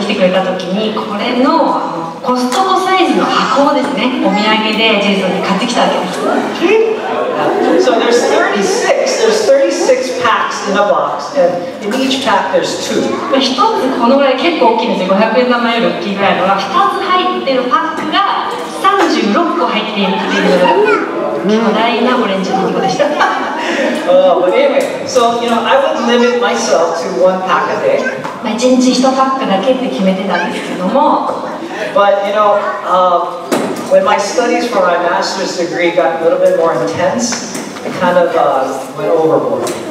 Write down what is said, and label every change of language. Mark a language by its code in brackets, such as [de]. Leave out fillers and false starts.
[ja] 春先にですね、ハワイから友人が遊びに来てくれた時に、これの Costco サイズの箱をですね、お土産でジェイソンに買ってきたわけです。So [en] there's 36 packs in a box, and in each pack there's two. [ja] 一つこのぐらい結構大きいんですよ、500円玉より大きいぐらいの、2つ入ってるパックが 36個入っているっていう巨大なオレンジの箱でした。 [en] But anyway, so you know, I would limit myself to one pack a day. [ja] 一日一パックだけって決めてたんですけども。 [en] But you know, when my studies for my master's degree got a little bit more intense, I kind of went overboard.